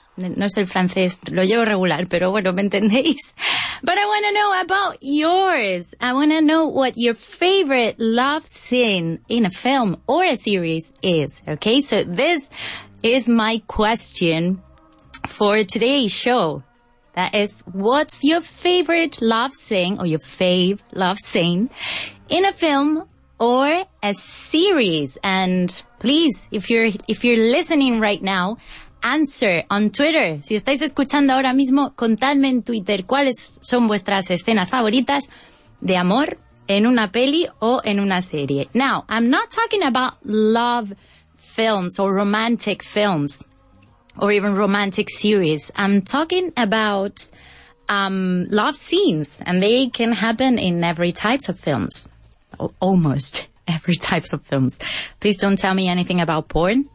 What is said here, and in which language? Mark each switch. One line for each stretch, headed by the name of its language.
Spanish: No es el francés, lo llevo regular, pero bueno, me entendéis.
English: But I want to know about yours. I want to know what your favorite love scene in a film or a series is. Okay, so this is my question for today's show. That is, what's your favorite love scene or your fave love scene in a film or a series? And please, if you're listening right now, answer on Twitter.
Spanish: Si estáis escuchando ahora mismo, contadme en Twitter cuáles son vuestras escenas favoritas de amor en una peli o en una serie.
English: Now, I'm not talking about love films or romantic films. Or even romantic series. I'm talking about love scenes, and they can happen in every types of films. Almost every types of films. Please don't tell me anything about porn.